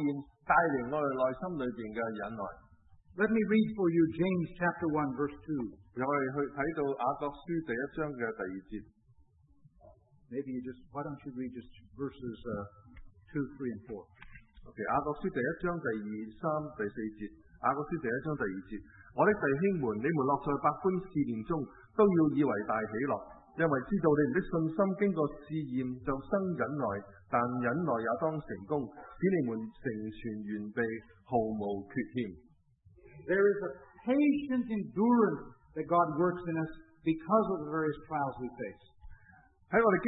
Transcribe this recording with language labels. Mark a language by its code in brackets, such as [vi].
[zh] 就是神给我们所经历的考验，带领我们内心里边的忍耐。 [en] Let me read for you James chapter 1, verse 2. [zh] 让我们去看到雅各书第一章的第二节。 [en] Maybe you just, why don't you read just verses 2, 3, and 4. [zh] Okay, 雅各书第一章第二、三、第四节。雅各书第一章第二节，我的弟兄们，你们乐在百般试炼中，都要以为大喜乐，因为知道你们的信心经过试验，就生忍耐。但忍耐也当成功，使你们成全完备，毫无缺欠。 [en] There is a patient endurance that God works in us because of the various trials we face.